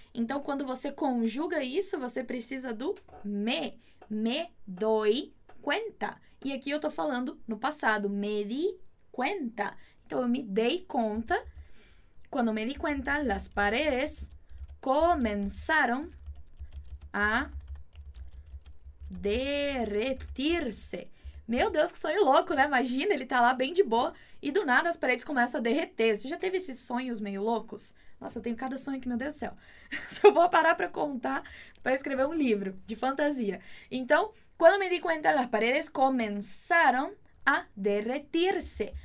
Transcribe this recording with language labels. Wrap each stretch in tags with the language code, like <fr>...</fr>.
<pt>Então, quando você conjuga isso, você precisa do</pt> <es>me doy cuenta.</es> <pt>E aqui eu tô falando no passado,</pt> <es>me di cuenta.</es> <pt>Então, eu me dei conta</pt> <es>Cuando me di cuenta, las paredes comenzaron a derretirse.</es> <pt>Meu Deus, que sonho louco, né? Imagina, ele tá lá bem de boa e do nada as paredes começam a derreter. Você já teve esses sonhos meio loucos? Nossa, eu tenho cada sonho aqui, meu Deus do céu. Só vou parar pra contar, pra escrever um livro de fantasia. Então,</pt> <es>quando me di cuenta,</es> <pt>as paredes começaram a derretir-se.</pt>